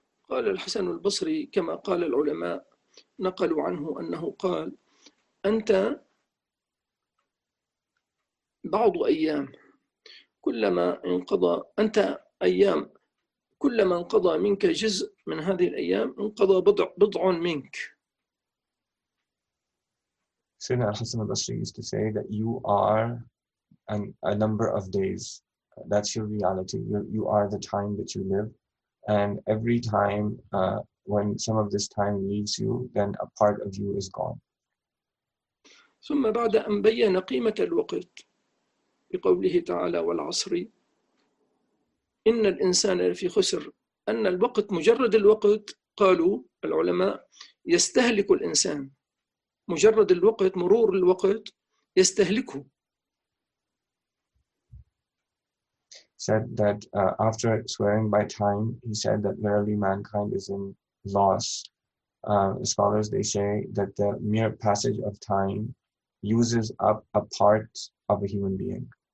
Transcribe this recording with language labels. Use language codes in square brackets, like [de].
[ar] قال الحسن البصري كما قال العلماء نقلوا عنه أنه قال أنت بعض أيام، كلما انقضى أنت أيام، كلما انقضى منك جزء من هذه الأيام انقضى بضع منك. [en] سيدنا الحسن البصري used to say that you are a number of days. That's your reality. You are the time that you live. And every time when some of this time leaves you, then a part of you is gone. [ar] ثم بعد أن بيّن قيمة الوقت بقوله تعالى والعصر إن الإنسان لفي خسر، أن الوقت مجرد الوقت، قالوا العلماء يستهلك الإنسان، مجرد الوقت، مرور الوقت يستهلكه. [en] Said that after swearing by time, he said that verily mankind is in loss. Scholars, they say that the mere passage of time uses up a part of a human being.